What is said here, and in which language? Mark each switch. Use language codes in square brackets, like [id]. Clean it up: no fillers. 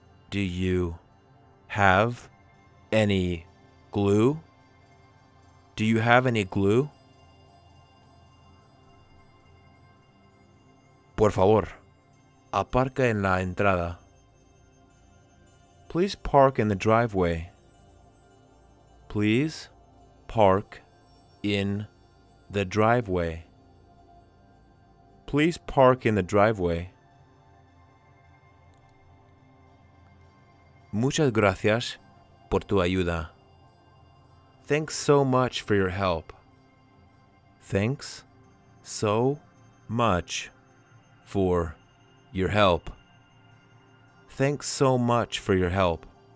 [en] Do you have any glue? Do you have any glue? [es] Por favor, aparca en la entrada. [en] Please park in the driveway. Please park in the driveway. Please park in the driveway. [es] Muchas gracias por tu ayuda. [en] Thanks so much for your help. Thanks so much for your help. Thanks so much for your help.